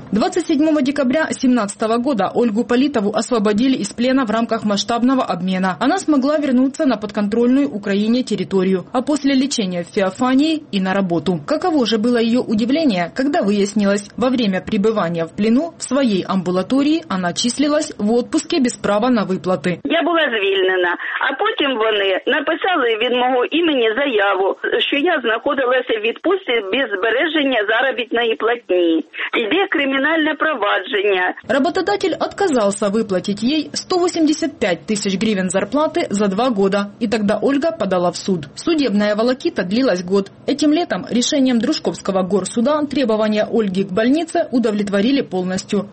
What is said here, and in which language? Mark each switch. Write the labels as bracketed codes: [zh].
[ru] 27 декабря 2017 года Ольгу Политову освободили из плена в рамках масштабного обмена. Она смогла вернуться на подконтрольную Украине территорию, а после лечения в Феофании и на работу. Каково же было ее удивление, когда выяснилось, во время пребывания в плену в своей амбулатории она числилась в отпуске без права на выплаты. [uk] Я была звільнена, а потім вони написали від мого імені заяву, що я знаходилася в відпустці без збереження заробітної платні. Іде крім [ru] Работодатель отказался выплатить ей 185 тысяч гривен зарплаты за 2 года. И тогда Ольга подала в суд. Судебная волокита длилась год. Этим летом решением Дружковского горсуда требования Ольги к больнице удовлетворили полностью.